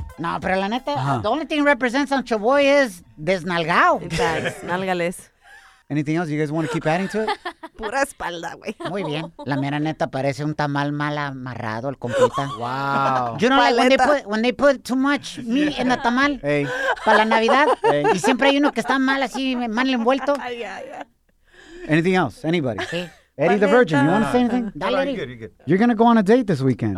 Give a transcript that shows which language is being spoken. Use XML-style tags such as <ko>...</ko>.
<es>No, pero la neta,</es> <en>the only thing represents on Chavoy is desnalgao.</en> <es>Nalgales.</es> <en>Anything else you guys want to keep adding to it?</en> <es>Pura espalda, güey. Muy bien. La mera neta parece un tamal mal amarrado al compita.</es> <en>Wow. You know, like when they put too much meat in the tamal. Hey.</en> <es>Para la Navidad. Hey. Y siempre hay uno que está mal así, mal envuelto.</es> <en>Yeah. Anything else? Anybody?</en> <es>Sí.</es> <en>Eddie the Virgin, you want to say anything?</en> <es>Dale,</es> <en>Eddie. You're good. You're going to go on a date this weekend.</en>